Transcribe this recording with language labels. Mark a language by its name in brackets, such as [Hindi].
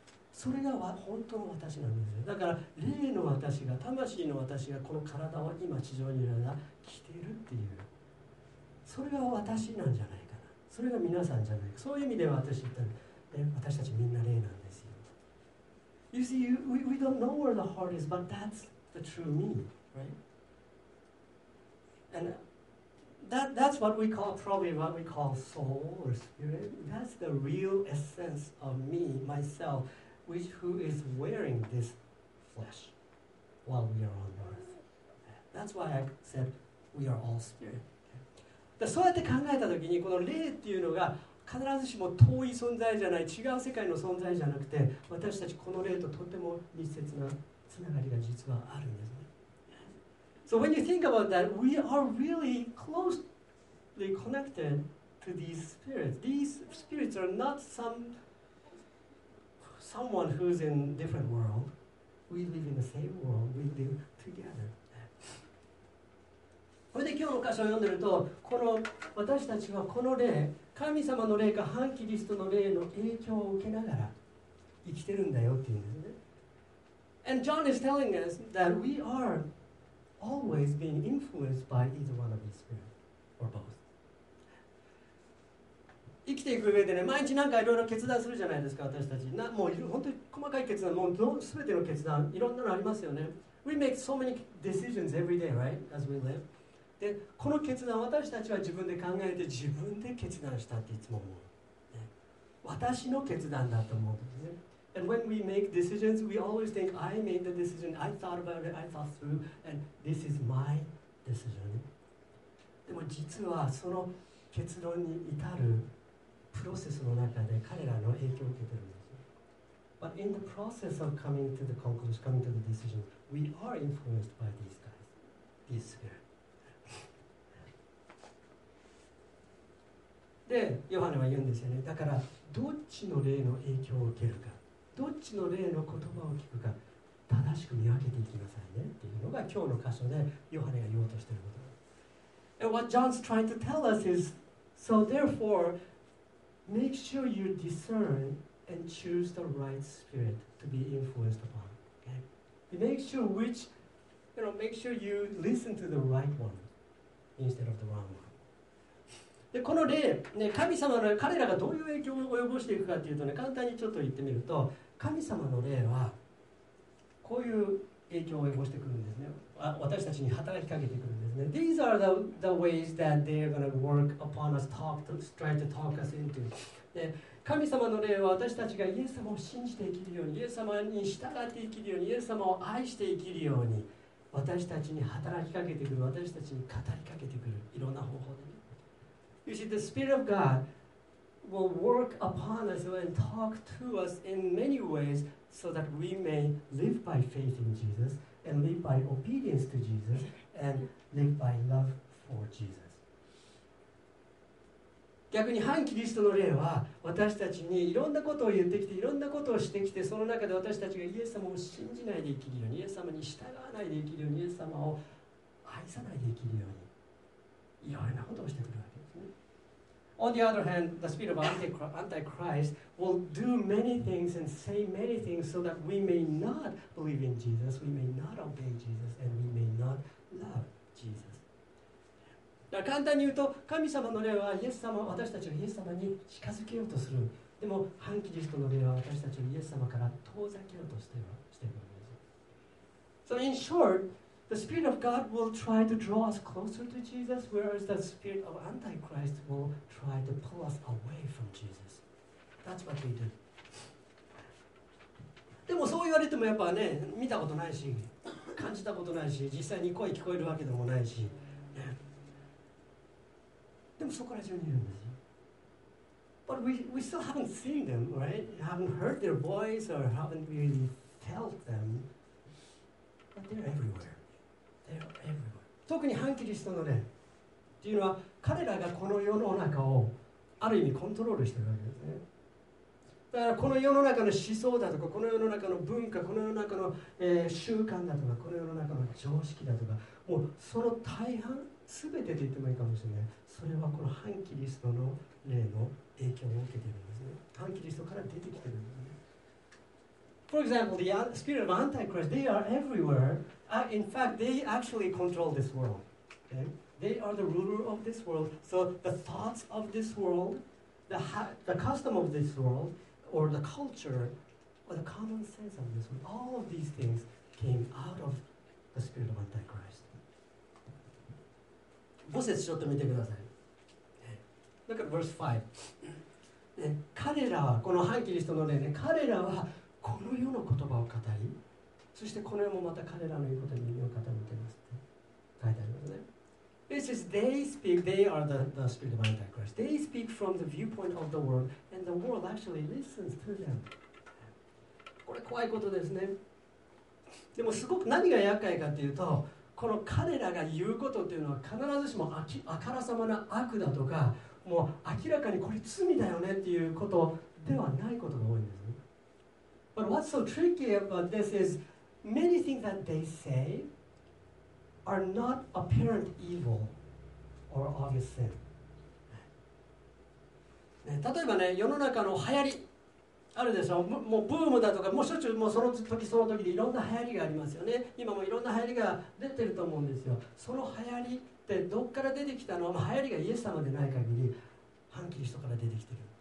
[Japanese] それが本当の私なんですよ。だから霊の私が、魂の私が、この体を今地上にいるのが着てるっていう、それが私なんじゃないかな。それが皆さんじゃないか。そういう意味では私言ったら、私たちみんな霊なんですよ。 [English] You see, we don't know where the heart is, but that's the true me, right? And that's what we call, probably what we call soul or spirit. That's the real essence of me, myself, who is wearing this flesh while we are on earth. That's why I said we are all spirit. [Japanese] だそうやって考えたときに、この霊っていうのが必ずしも遠い存在じゃない、違う世界の存在じゃなくて、私たちこの霊ととても密接なつながりが実はあるんですね。 [English] So when you think about that, we are really closely connected to these spirits. These spirits are not someone who's in a different world. We live in the same world. We live together. [Japanese] それで今日の箇所を読んでると、この私たちはこの霊、神様の霊か反キリストの霊の影響を受けながら生きてるんだよっていうんですね。 [English] And John is telling us that we are always being influenced by either one of these spirits or both. [Japanese] 生きていく上でね、毎日なんかいろいろ決断するじゃないですか、私たち。もう本当に細かい決断、もう全ての決断、いろんなのありますよね。 [English] We make so many decisions every day, right? As we live. [Japanese] で、この決断、私たちは自分で考えて自分で決断したっていつも思う、ね、私の決断だと思うんですね。 [English] And when we make decisions, we always think I made the decision, I thought about it, I thought through, and this is my decision. [Japanese] でも実はその結論に至るプロセスの中で彼らの影響を受けてるんです。 [English] But in the process of coming to the conclusion, coming to the decision, we are influenced by these guys. His Spirit. [Japanese] で、ヨハネは言うんですよね。だから、どっちの霊の影響を受けるか、どっちの霊の言葉を聞くか、正しく見分けていきなさいねっていうのが今日の箇所でヨハネが言おうとしていること。 [English] And what John's trying to tell us is, so therefore, make sure you discern and choose the right spirit to be influenced upon. Okay? Make sure which, you know, make sure you listen to the right one instead of the wrong one. [Japanese] で、この例、ね、神様の彼らがどういう影響を及ぼしていくかというとね、簡単にちょっと言ってみると、神様の例はこういう影響を及ぼしてくるんですね。私たちに働きかけてくるんですね。 [English] These are the ways that they're gonna work upon us, try to talk us into. [Japanese] で、神様の霊は私たちがイエス様を信じて生きるように、イエス様に従って生きるように、イエス様を愛して生きるように、私たちに働きかけてくる、私たちに語りかけてくる、いろんな方法で、ね。 [English] You see, the Spirit of God will work upon us and talk to us in many ways so that we may live by faith in Jesus. And live by obedience to Jesus and live by love for Jesus. [Japanese] 逆に反キリストの霊は私たちにいろんなことを言ってきて、いろんなことをしてきて、その中で私たちがイエス様を信じないで生きるように、イエス様に従わないで生きるように、イエス様を愛さないで生きるように、いろいろなことをしてくるわけですね。 [English] On the other hand, the spirit of Antichrist will do many things and say many things so that we may not believe in Jesus, we may not obey Jesus, and we may not love Jesus. [Japanese] だから簡単に言うと、神様の霊はイエス様、私たちをイエス様に近づけようとする。でも、反キリストの霊は私たちをイエス様から遠ざけようとしては、しているわけです。 [English] So in short, the Spirit of God will try to draw us closer to Jesus, whereas the Spirit of Antichrist will try to pull us away from Jesus. That's what they do. [Japanese] でもそう言われてもやっぱね、見たことないし、感じたことないし、実際に声聞こえるわけでもないし、ね、でもそこら中にいるんですよ。 [English] But we still haven't seen them, right? Haven't heard their voice or haven't really felt them. But they're everywhere. They're everywhere. [Japanese] 特に反キリストのね、っていうのは彼らがこの世の中をある意味コントロールしてるわけですね。だからこの世の中の思想だとか、この世の中の文化、この世の中の、習慣だとか、この世の中の常識だとか、もうその大半、すべてと言ってもいいかもしれない。それはこの反キリストの霊の影響を受けているんですね。反キリストから出てきているんですね。 [English] For example, the spirit of Antichrist, they are everywhere. In fact, they actually control this world.、Okay? They are the ruler of this world. So the thoughts of this world,The custom of this world, or the culture, or the common sense of this world, all of these things came out of the spirit of Antichrist. [Japanese] 5節ちょっと見てください。 [English] Look at verse 5. [Japanese] 彼らは、この反キリストの霊ね、彼らはこの世の言葉を語り、そしてこの世もまた彼らの言うことに耳を傾けますって書いてありますね。 [English] This is they speak, they are the spirit of Antichrist. They speak from the viewpoint of the world, and the world actually listens to them. [Japanese] これ怖いことですね。でもすごく何が厄介かっていうと、この彼らが言うことっていうのは必ずしもあからさまな悪だとか、もう明らかにこれ罪だよねっていうことではないことが多いんですね。 [English] But what's so tricky about this is many things that they say,are not apparent evil or obvious sin. [Japanese] 例えばね、世の中の流行りあるでしょ。もうブームだとか、もうしょっちゅうもうその時その時でいろんな流行りがありますよね。今もいろんな流行りが出てると思うんですよ。その流行りってどっから出てきたのは、流行りがイエス様でない限り反キリストから出てきてる。